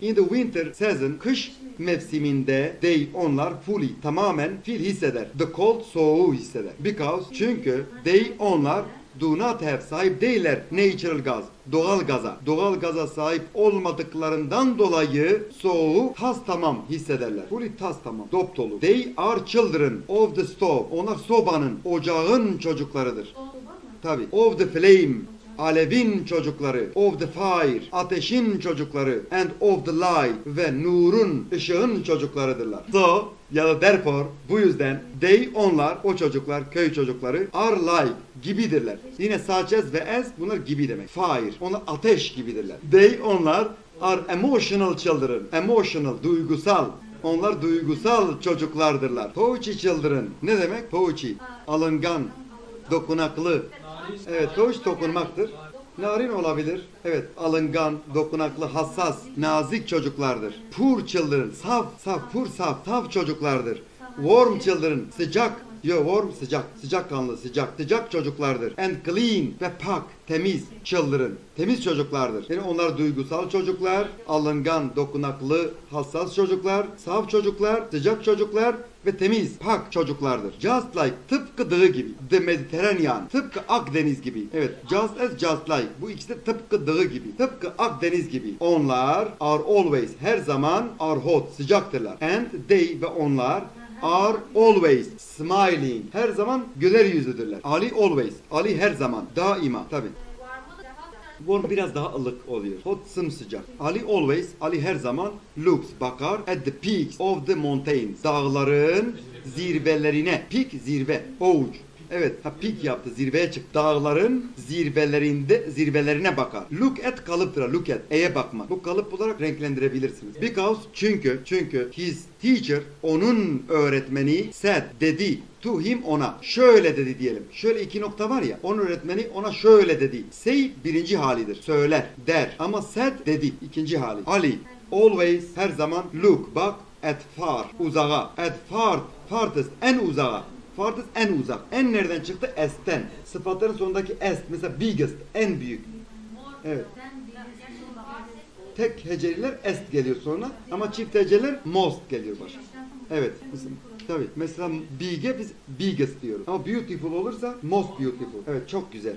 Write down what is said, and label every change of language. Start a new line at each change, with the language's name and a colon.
English: In the winter season,
Turkish: kış mevsiminde
English: they onlar fully, tamamen feel, hisseder. The cold,
Turkish: soğuğu hisseder.
English: Because çünkü they onlar do not have,
Turkish: sahip değiller
English: natural gas,
Turkish: doğal gaza. Doğal gaza sahip olmadıklarından dolayı soğuğu tas tamam hissederler.
English: Fully
Turkish: tas tamam, dop dolu.
English: They are children of the stove.
Turkish: Onlar sobanın, ocağın çocuklarıdır. Tabii.
English: Of the flame,
Turkish: alevin çocukları.
English: Of the fire,
Turkish: ateşin çocukları.
English: And of the light,
Turkish: ve nurun, ışığın çocuklarıdırlar.
English: So,
Turkish: ya da
English: therefore,
Turkish: bu yüzden
English: they
Turkish: onlar, o çocuklar, köy çocukları
English: are like,
Turkish: gibidirler. Yine
English: such as
Turkish: ve as, bunlar gibi demek.
English: Fire,
Turkish: onlar ateş gibidirler.
English: They
Turkish: onlar
English: are emotional children.
Turkish: Emotional, duygusal. Onlar duygusal çocuklardırlar.
English: Touchy children,
Turkish: ne demek? Touchy, alıngan, dokunaklı. Evet, touch dokunmaktır. Narin olabilir. Evet, alıngan, dokunaklı, hassas, nazik çocuklardır.
English: Poor children,
Turkish: saf çocuklardır.
English: Warm children,
Turkish: sıcak. Yo, warm, sıcak. Sıcak kanlı, sıcak. Sıcak çocuklardır.
English: And clean
Turkish: ve pak, temiz
English: children.
Turkish: Temiz çocuklardır. Yani onlar duygusal çocuklar, alıngan, dokunaklı, hassas çocuklar, saf çocuklar, sıcak çocuklar ve temiz, pak çocuklardır.
English: Just like,
Turkish: tıpkı dığı gibi.
English: The Mediterranean,
Turkish: tıpkı Akdeniz gibi. Evet,
English: just as, just like.
Turkish: Bu ikisi de tıpkı dığı gibi. Tıpkı Akdeniz gibi.
English: Onlar are always,
Turkish: her zaman
English: are hot,
Turkish: sıcaktırlar.
English: And they
Turkish: ve onlar
English: are always smiling.
Turkish: Her zaman güler yüzlüdürler.
English: Ali always.
Turkish: Ali her zaman. Daima. Tabii. Warm biraz daha ılık oluyor. Hot sımsıcak.
English: Ali always,
Turkish: Ali her zaman
English: looks, bakar at the peaks of the mountains.
Turkish: Dağların zirvelerine.
English: Peak, zirve. Ouch.
Turkish: Evet, ha peak yaptı, zirveye çıktı. Dağların zirvelerinde, zirvelerine bakar. Look at kalıptır, look at. E'ye bakmak. Bu kalıp olarak renklendirebilirsiniz.
English: Because, çünkü his teacher,
Turkish: onun öğretmeni
English: said, dedi. To him, ona.
Turkish: Şöyle dedi diyelim. Şöyle iki nokta var ya. Onun öğretmeni ona şöyle dedi. Say birinci halidir. Söyler, der. Ama said, dedi. İkinci hali.
English: Ali, always,
Turkish: her zaman, look, bak,
English: at far,
Turkish: uzağa. At far, farthest, en uzağa. Farthest, en uzak. En nereden çıktı? S'ten. Sıfatların sonundaki S. Mesela biggest, en büyük. Evet. Tek heceliler est geliyor sonra. Ama çift heceliler most geliyor başa. Evet. Tabii. Mesela big'e biz biggest diyoruz. Ama beautiful olursa
English: most beautiful.
Turkish: Evet, çok güzel.